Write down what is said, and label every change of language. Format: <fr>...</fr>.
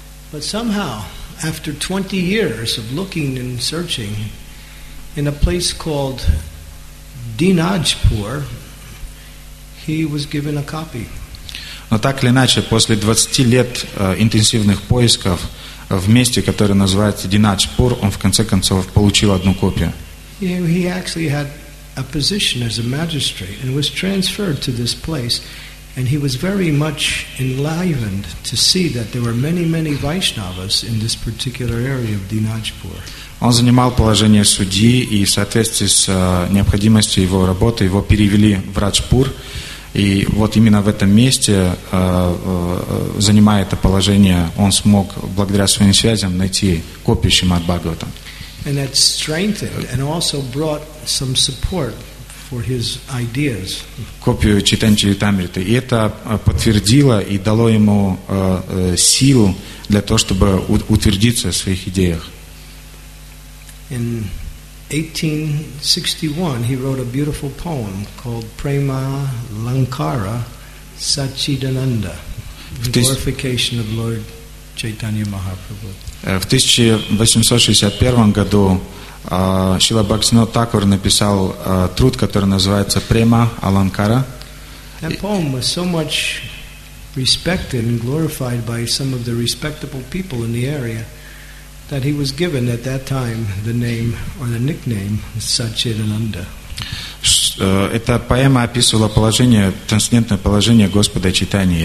<en>But somehow, after 20 years of looking and searching, in a place called Dinajpur, he was given a copy.</en> <ru>Но так или иначе, после 20 лет интенсивных поисков в месте, которое называется Динаджпур, он в конце концов получил одну копию.</ru> <en>He actually had a position as a magistrate and was transferred to this place. And he was very much enlivened to see that there were many, many Vaishnavas in this particular area of Dinajpur.</en> <ru>Он занимал положение судьи, и в соответствии с необходимостью его работы его перевели в Раджпур. И вот именно в этом месте, занимая это положение, он смог, благодаря своим связям, найти копию Шримад Бхагаватам.</ru> <en>And that strengthened and also brought some support for his ideas.</en> <ru>Копию Чайтанья Чаритамриты. И это подтвердило и дало ему силу для того, чтобы утвердиться в своих идеях.</ru> <en>In 1861 he wrote a beautiful poem called Prema Lankara Sachidananda. Glorification of Lord Chaitanya Mahaprabhu.</en> <ru>В 1861 году Шрила Бхактисиддханта Тхакур написал труд, который называется «Према Аланкара».</ru> <en>That poem was so much respected and glorified by some of the respectable people in the area that he was given at that time the name or the nickname Сачидананда.</en> <ru>Эта поэма описывала положение, трансцендентное положение Господа Чайтаньи.</ru>